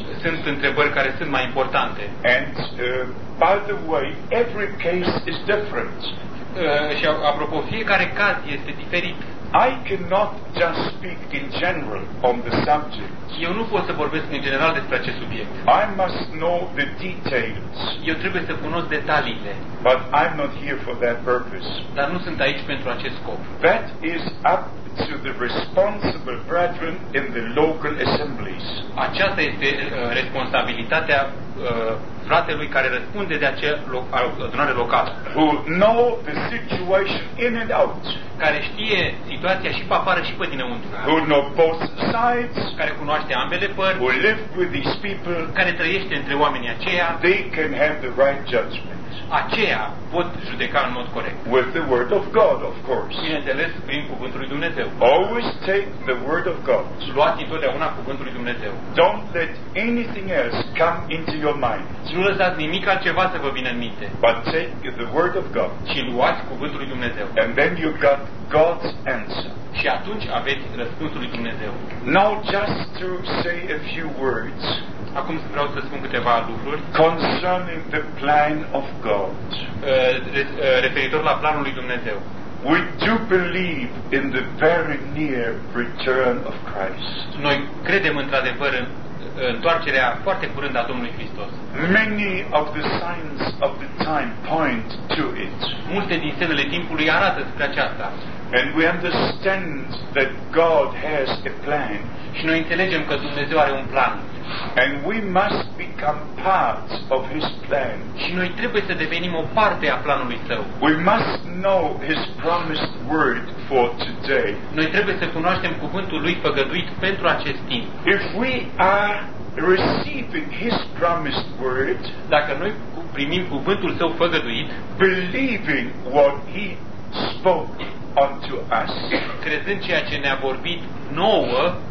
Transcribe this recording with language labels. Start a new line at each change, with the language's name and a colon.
Romanian: Sunt întrebări care sunt mai importante.
English: And by the way, every case is different.
Romanian: Și apropo, fiecare caz este diferit.
English: I cannot just speak in general on the subject.
Romanian: Eu nu pot să vorbesc în general despre acest subiect.
English: I must know the details.
Romanian: Eu trebuie să cunosc detaliile.
English: But I'm not here for that purpose.
Romanian: Dar nu sunt aici pentru acest scop.
English: That is up to the responsible brethren in the local assemblies.
Romanian: Aceasta este responsabilitatea fratelui care răspunde de acea adunare locală.
English: Who know the situation in and out.
Romanian: Care știe situația și pe afară și pe dinăuntru.
English: Who know both sides.
Romanian: Care cunoaște ambele părți.
English: Who live with these people.
Romanian: Care trăiește între oamenii aceia.
English: They can have the right judgment.
Romanian: aceea pot judeca în mod corect.
English: With the word of God, of course.
Romanian: Bineînțeles, prin cuvântul lui Dumnezeu.
English: Always take the word of God.
Romanian: Luați întotdeauna cuvântul lui Dumnezeu.
English: Don't let anything else come into your mind.
Romanian: Nu lăsați nimic altceva să vă vină în minte.
English: But take the word of God.
Romanian: Și luați cuvântul lui Dumnezeu.
English: And then you've got God's answer.
Romanian: Și atunci aveți răspunsul lui Dumnezeu.
English: Now just to say a few words.
Romanian: Acum vreau să spun câteva lucruri.
English: Concerning the plan of God.
Romanian: Referitor la planul lui Dumnezeu.
English: We do believe in the very near return of Christ.
Romanian: Noi credem într-adevăr în întoarcerea foarte curând a Domnului Hristos.
English: Many of the signs of the time point to it.
Romanian: Multe din semnele timpului arată spre aceasta.
English: And we understand that God has a plan.
Romanian: Și noi înțelegem că Dumnezeu are un plan.
English: And we must become part of his plan.
Romanian: Și noi trebuie să devenim o parte a planului său.
English: We must know his promised word for today.
Romanian: Noi trebuie să cunoaștem cuvântul lui făgăduit pentru acest timp.
English: If we are receiving his promised word,
Romanian: dacă noi primim cuvântul său făgăduit,
English: believing what he spoke unto us,
Romanian: credând ceea ce ne-a vorbit nouă,